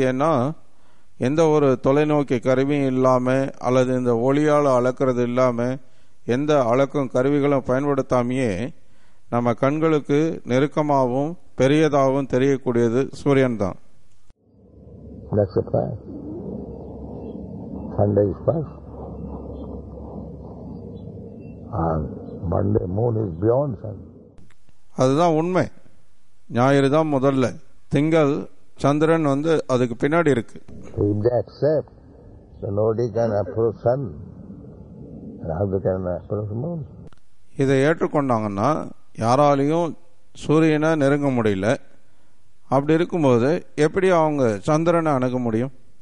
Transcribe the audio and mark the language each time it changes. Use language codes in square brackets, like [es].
[ta] ஏன்னா எந்த ஒரு தொலைநோக்கி கருவியும் இல்லாமல் அல்லது இந்த ஒளியால் அளக்கிறது இல்லாமல் எந்த அளக்கும் கருவிகளும் பயன்படுத்தாமையே நம்ம கண்களுக்கு நெருக்கமாகவும் பெரியதாகவும் தெரியக்கூடியது சூரியன் தான். [en] Sunday is first and Monday moon is beyond sun. [ta] அதுதான் உண்மை. ஞாயிறு தான் முதல்ல, திங்கள் சந்திரன் வந்து அதுக்கு பின்னாடி இருக்கு. [en] If they accept, then nobody can approach sun and nobody can approach moon. [ta] இதை ஏற்றுக்கொண்டாங்கன்னா யாராலையும் சூரியனை நெருங்க முடியல. அப்படி இருக்கும்போது எப்படி அவங்க சந்திரனை அணுக முடியும்?